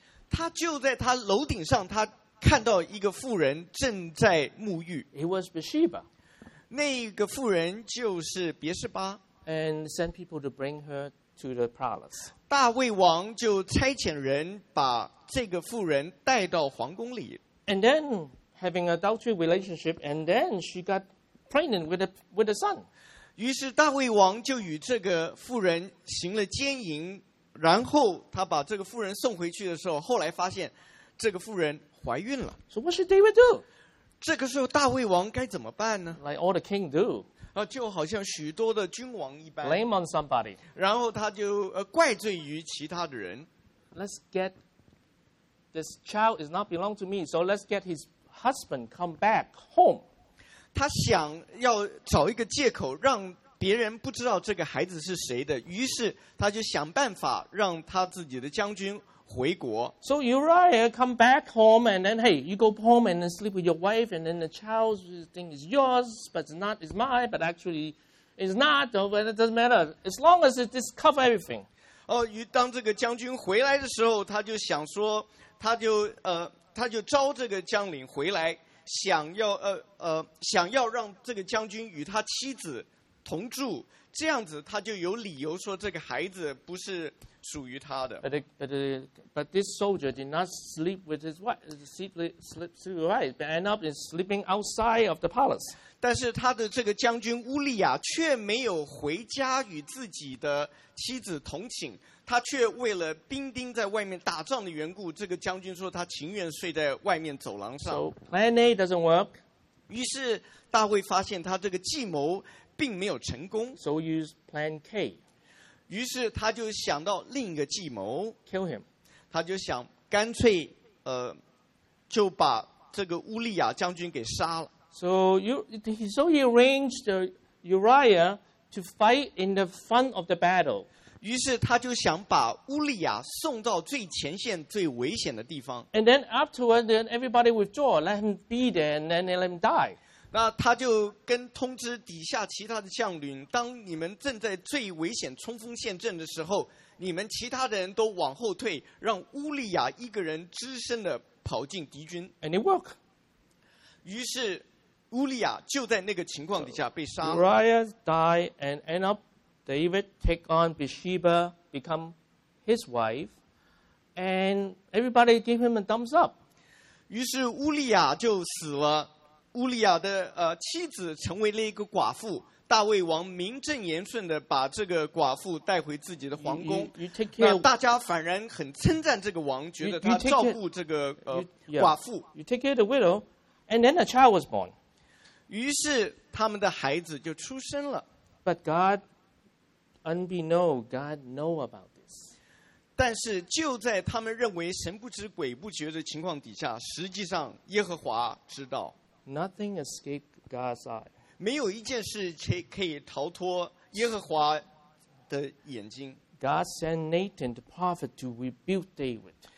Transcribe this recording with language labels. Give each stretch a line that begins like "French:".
Chinese: 他就在他楼顶上，他看到一个妇人正在沐浴。
English: It was Bathsheba.
Chinese: 那个妇人就是别示巴。
English: And send people to bring her to the palace.
Chinese: 大卫王就差遣人把这个妇人带到皇宫里。
English: And then having an adultery relationship, and then she got pregnant with a son.
Chinese: 于是大卫王就与这个妇人行了奸淫，然后他把这个妇人送回去的时候，后来发现这个妇人怀孕了。
English: So what should David do?
Chinese: 这个时候大卫王该怎么办呢
English: ？Like all the king do.
Chinese: 就好像许多的君王一般
English: Blame on somebody
Chinese: 然后他就怪罪于其他的人
English: Let's get This child is not belong to me So let's get his husband come back home
Chinese: 他想要找一个借口让别人不知道这个孩子是谁的于是他就想办法让他自己的将军回国
English: So Uriah come back home and then hey you go home and then sleep with your wife and then the child's thing is yours but it's not it's mine but actually it's not but it doesn't matter as long as it discover everything
Chinese: 当这个将军回来的时候他就想说他就招这个将领回来想要让这个将军与他妻子同住这样子他就有理由说这个孩子不是属于他的
English: but this soldier did not sleep with his wife sleep with his wife but end up sleeping outside of the palace
Chinese: 但是他的这个将军乌利亚却没有回家与自己的妻子同寝他却为了兵丁在外面打仗的缘故这个将军说他情愿睡在外面走廊上
English: so plan A doesn't work
Chinese: 于是大卫发现他这个计谋并没有成功
English: so use plan K
Chinese: 于是他就想到另一个计谋
English: Kill him
Chinese: 他就想干脆就把这个乌利亚将军给杀了
English: So he arranged Uriah to fight in the front of the battle
Chinese: 于是他就想把乌利亚送到最前线最危险的地方
English: And then afterwards then everybody withdraw let him be there and then let him die
Chinese: 那他就跟通知底下其他的将领当你们正在最危险冲锋陷阵的时候你们其他的人都往后退让乌利亚一个人只身的跑进敌军
English: And it worked
Chinese: 于是乌利亚就在那个情况底下被杀了
English: Uriah died and end up David take on Bathsheba become his wife and everybody gave him a thumbs up
Chinese: 于是乌利亚就死了乌利亚的妻子成为了一个寡妇大卫王名正言顺的把这个寡妇带回自己的皇宫
English: you take care,
Chinese: 那大家反然很称赞这个王觉得他照顾这个
English: you, yeah,
Chinese: 寡妇
English: you take care of the widow and then a child was born
Chinese: 于是他们的孩子就出生了。
English: But God, unbeknownst, God know about this.
Chinese: 但是就在他们认为神不知鬼不觉的情况底下，实际上耶和华知道。
English: Nothing escaped God's eye.
Chinese: 没有一件事可以逃脱耶和华的眼睛。
English: God sent Nathan the prophet to rebuild David.